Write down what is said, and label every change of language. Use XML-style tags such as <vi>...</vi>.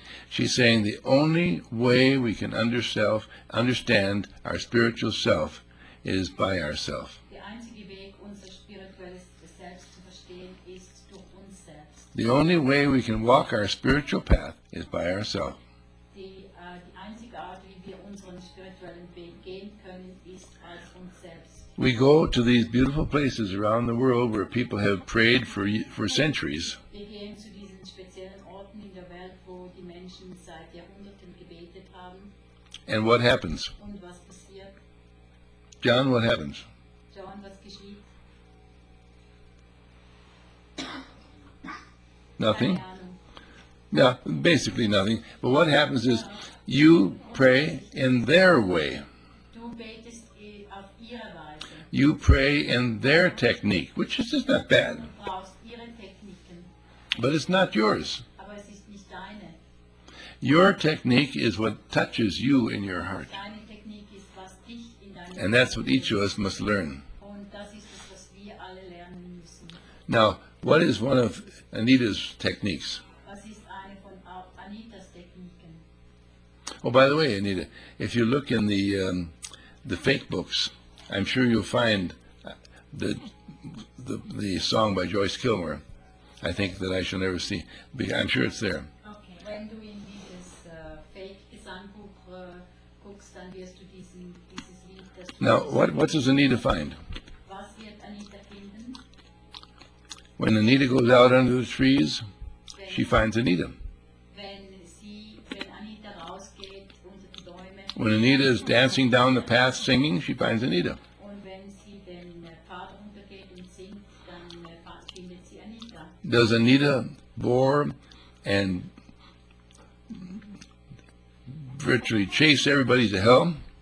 <en>She's saying the only way we can understand our spiritual self is by ourself.</en> <de>Der einzige Weg, unser spirituelles Selbst zu verstehen, ist durch uns selbst.</de> <en>The only way we can walk our spiritual path is by ourself.</en> <de>Die einzige Art, wie wir unseren spirituellen Weg gehen können, ist als uns selbst.</de> <en>We go to these beautiful places around the world where people have prayed for centuries.</en> <de>Wir gehen zu diesen speziellen Orten in der Welt, wo die Menschen seit Jahrhunderten gebetet haben.</de> <en>And what happens?</en> <de>Und was passiert?</de> <en>John, what happens?</en> <de>John, was geschieht?</de> <en>Nothing. Yeah, basically nothing. But what happens is you pray in their way.</en> <de>Du betest auf ihre Weise.</de> <en>You pray in their technique, which is just not bad.</en> <de>Du brauchst ihre Techniken.</de> <en>But it's not yours.</en> <de>Aber es ist nicht deine.</de> <en>Your technique is what touches you in your heart.</en> <de>Deine Technik ist, was dich in deinem Herzen.</de> <en>And that's what each of us must learn.</en> <de>Und das ist es, was wir alle lernen müssen.</de> <en>Now, what is one of Anita's techniques?</en> <de>Was ist eine von Anitas Techniken?</de> <en>Oh, by the way, Anita, if you look in the fake books, I'm sure you'll find the song by Joyce Kilmer, I think that I shall never see. I'm sure it's there.</en> <de>Okay, wenn du in dieses fake Gesangbuch guckst, dann wirst du dieses Lied.</de> <en>Now, what does Anita find?</en> <de>Was wird Anita finden?</de> <en>When Anita goes out under the trees, she finds Anita.</en> <de>Wenn Anita rausgeht unter die Bäume,</de> <en>when Anita is dancing down the path singing, she finds Anita.</en> <de>Und wenn sie den Pfad runtergeht und singt, dann findet sie Anita.</de> <en>Does Anita bore and virtually chase everybody to hell?</en>